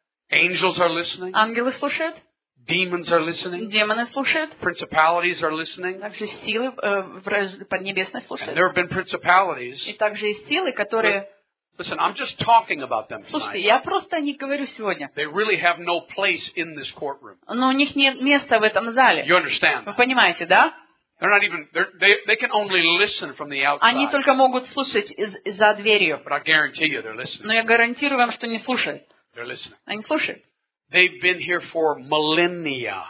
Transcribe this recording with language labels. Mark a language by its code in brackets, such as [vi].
[en] Angels are listening. [ru] Ангелы слушают. [en] Demons are listening. [ru] Демоны слушают. [en] Principalities are listening. [ru] Также силы поднебесной слушают. [en] And there have been principalities. [ru] И также есть силы, которые. [en] Listen, I'm just talking about them. [ru] Слушайте, я просто о них говорю сегодня. [en] They really have no place in this courtroom. [ru] Но у них нет места в этом зале. [en] You understand? [ru] Вы понимаете, да? [en] They're not even. They can only listen from the outside. [ru] Они только могут слушать за дверью. [en] But I guarantee you, they're listening. [ru] Но я гарантирую вам, что не слушают. [en] They're listening. [ru] Они слушают. [en] They've been here for millennia.